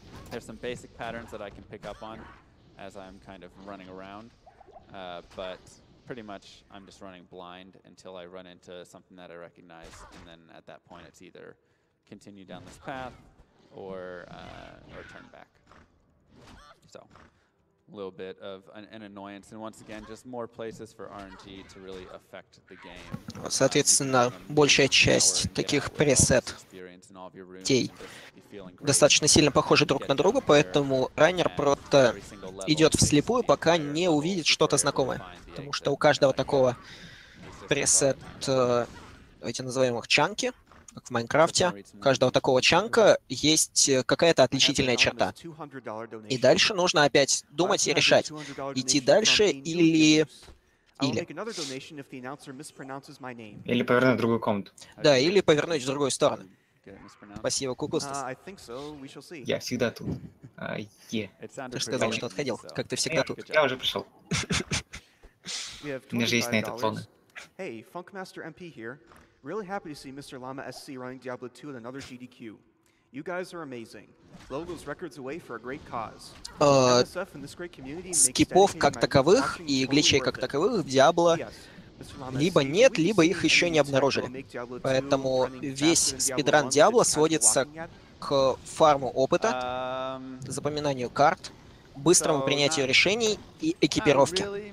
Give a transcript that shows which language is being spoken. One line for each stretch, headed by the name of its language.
English: There's some basic patterns that I can pick up on as I'm kind of running around, but pretty much I'm just running blind until I run into something that I recognize, and then at that point it's either continue down this path or turn back. So, a little bit of an annoyance, and once again, just more places for RNG to really affect the game.
Russian: Соответственно, большая часть таких пресет-тей достаточно сильно похожи друг на друга, поэтому Райнер просто идет вслепую, пока не увидит что-то знакомое. Потому что у каждого такого пресет, давайте назовем их чанки, как в Майнкрафте, у каждого такого чанка есть какая-то отличительная черта. И дальше нужно опять думать и решать, идти дальше или... Или повернуть в другую комнату. Да, или повернуть в другую сторону. Спасибо, Кукустас. Я всегда тут. Ты же сказал, что отходил. Как ты всегда тут. Я уже пришел. У меня же есть на этот фон.
English: Hey, Funkmaster MP here. Really happy to see Mr. Llama SC running Diablo 2 in another GDQ. You guys are amazing. Blow those records away for a great cause.
Russian: Скипов как таковых и гличей как таковых в Diablo либо нет, либо их еще не обнаружили. Поэтому весь спидран Диабло сводится к фарму опыта, запоминанию карт, быстрому принятию решений и экипировке.